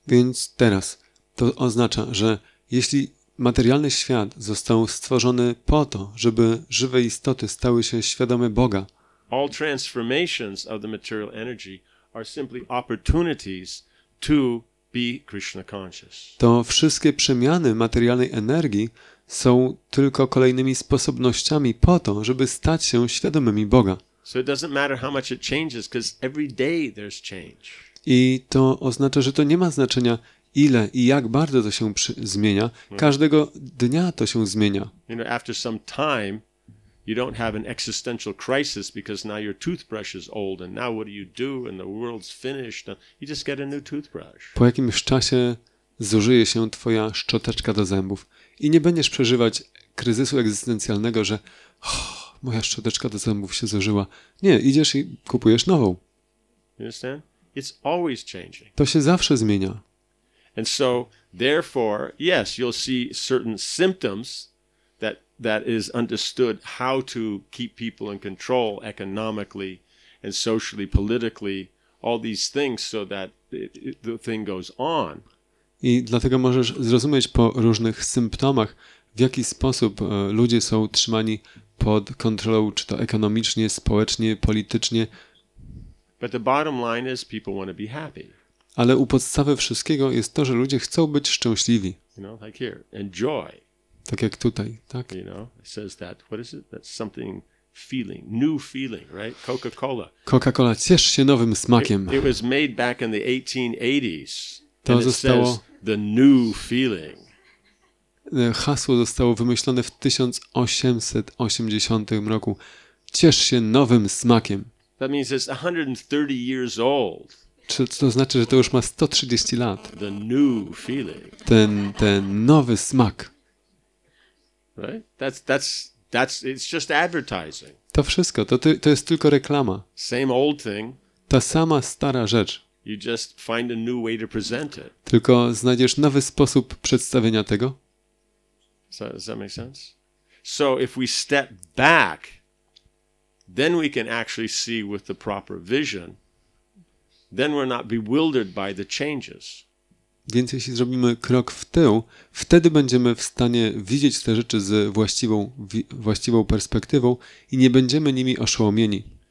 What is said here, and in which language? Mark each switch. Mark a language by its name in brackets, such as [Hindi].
[Polish] Więc teraz to oznacza, że jeśli materialny świat został stworzony po to, żeby żywe istoty stały się świadome Boga. [English] All transformations of the material energy are simply opportunities to be Krishna conscious. [Polish] To wszystkie przemiany materialnej energii są tylko kolejnymi sposobnościami po to, żeby stać się świadomymi Boga. [English] So it doesn't matter how much it changes, because every day there's change. [Polish] I to oznacza, że to nie ma znaczenia, ile i jak bardzo to się zmienia. Każdego dnia to się zmienia. [English] You know, after some time, you don't have an existential crisis because now your toothbrush is old and now what do? And the world's finished. You just get a new toothbrush. [Polish] Po jakimś czasie zużyje się twoja szczoteczka do zębów i nie będziesz przeżywać kryzysu egzystencjalnego, że oh, moja szczoteczka do zębów się zużyła. Nie, idziesz i kupujesz nową. [English] You understand? It's always changing. [Polish] To się zawsze zmienia. [English] And so, therefore, yes, you'll see certain symptoms that is understood how to keep people in control economically and socially, politically, all these things so that the thing goes on. [Polish] I dlatego możesz zrozumieć po różnych symptomach, w jaki sposób ludzie są trzymani pod kontrolą, czy to ekonomicznie, społecznie, politycznie. [English] But the bottom line is people want to be happy. [Polish] Ale u podstawy wszystkiego jest to, że ludzie chcą być szczęśliwi. [English] You know, like here, enjoy. [Polish] Tak jak tutaj, tak? [English] You know, it says that, what is it? That's something feeling, new feeling, right? Coca-Cola. [Polish] Coca-Cola, ciesz się nowym smakiem. [English] It was made back in the 1880s. [Polish] To zostało, [English] says the new feeling. [Polish] Hasło zostało wymyślone w 1880 roku. Ciesz się nowym smakiem. [English] That means it's 130 years old. [Polish] Czy to znaczy, że to już ma 130 lat? [English] The new feeling. [Polish] Ten nowy smak. [English] Right? That's it's just advertising. [Polish] To wszystko, to jest tylko reklama. [English] Same old thing. [Polish] Ta sama stara rzecz. [English] You just find a new way to present it. [Polish] Tylko znajdziesz nowy sposób przedstawienia tego. [English] So, does that make sense? So if we step back, then we can actually see with the proper vision. Then we're not bewildered by the changes. [Polish] Więc jeśli zrobimy krok w tył, wtedy będziemy w stanie widzieć te rzeczy z właściwą perspektywą i nie będziemy nimi oszołomieni.